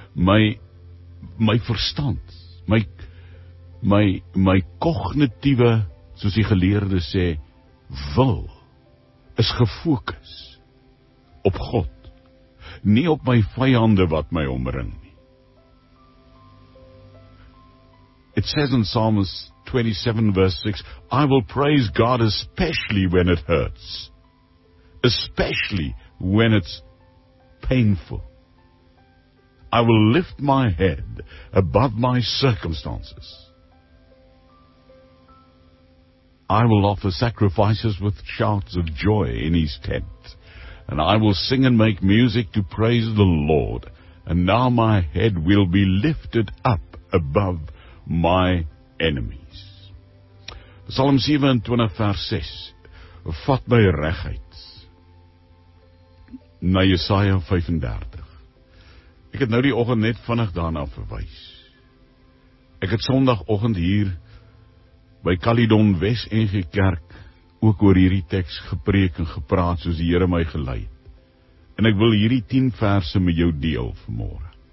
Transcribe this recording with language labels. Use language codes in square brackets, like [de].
[af] My verstand, my kognitiewe, soos die geleerde sê, wil, is gefokus op God, nie op my vyande wat my omring nie. [en] It says in Psalm 27 verse 6, I will praise God especially when it hurts, especially when it's painful. I will lift my head above my circumstances. I will offer sacrifices with shouts of joy in His tent. And I will sing and make music to praise the Lord. And now my head will be lifted up above my enemies. [af] Psalm 27 vers 6. Vat my regheid. Na Jesaja 35. Ek het nou die oggend net vinnig daarna verwys. Ek het sondagoggend hier by Caledon Wes NG Kerk ook oor hierdie teks gepreek en gepraat soos die Here my gelei het. En ek wil hierdie 10 verse met jou deel vanmôre.